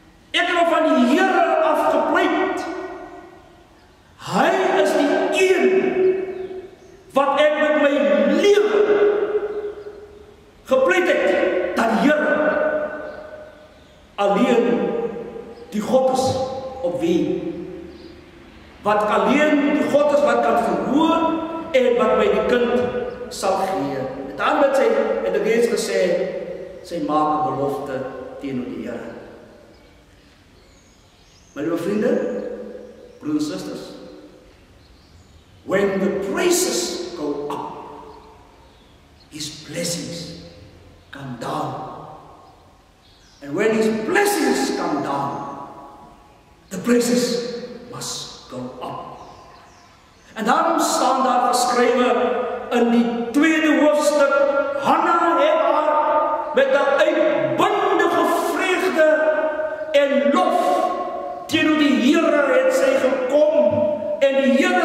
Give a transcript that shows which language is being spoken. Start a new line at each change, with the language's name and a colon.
Afrikaans: Ek het hom van die Here afgepleit. Hy is die een wat ek met my lewe gepleit het, dat die Here alleen die God is op wie, wat alleen die God is wat kan verhoor en wat my die kind sal gee. En daarom het sy, het ek reeds gesê, sy maak 'n belofte teenoor die Here. My liewe vriende, broers en susters,
English: when the praises go up, his blessings come down. And when his blessings come down, the praises must go up.
Afrikaans: En daarom staan daar geskrywe in die tweede hoofstuk, Hanna het haar met 'n uitbundige vreugde en lof teenoor die Here het sy gekom, en die